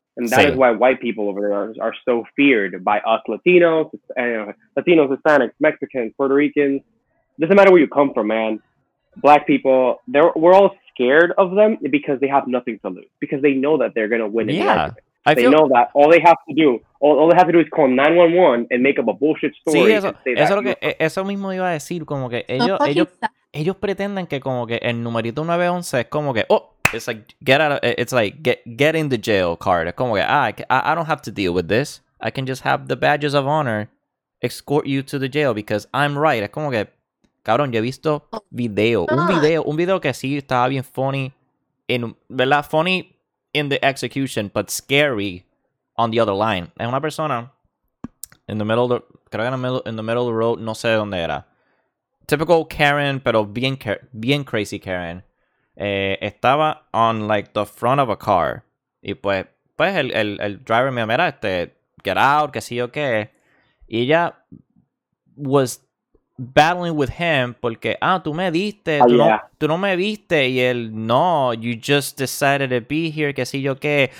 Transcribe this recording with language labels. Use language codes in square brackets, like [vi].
[en] And that is why white people over there are so feared by us Latinos, Latinos, Hispanics, Mexicans, Puerto Ricans. Doesn't matter where you come from, man. Black people, we're all scared of them because they have nothing to lose. Because they know that they're going to win. Yeah, know that. All they have to do, all they have to do is call 911 and make up a bullshit story. [es] Sí, eso mismo iba a decir, como que ellos pretenden que como que el numerito 911 es como que, oh. [en] It's like get in the jail card. [es] Como que, [en] I don't have to deal with this. I can just have the badges of honor escort you to the jail because I'm right. [es] Como que, cabrón, yo he visto video, un video que sí estaba bien funny, en verdad funny [en] in the execution, but scary on the other line. [es] Es una persona [en] in the middle of the, [es] creo que [en] in the middle of the road, [es] no sé dónde era. [en] Typical Karen, [es] pero bien, bien [en] crazy Karen. [es] Estaba [en] on like the front of a car. [es] Y pues el driver me mira, [en] get out, [es] que sí o qué. Y ella [en] was battling with him [es] porque, tú me diste, tú no me viste. Y él, no, [en] you just decided to be here, [es] que sí o qué.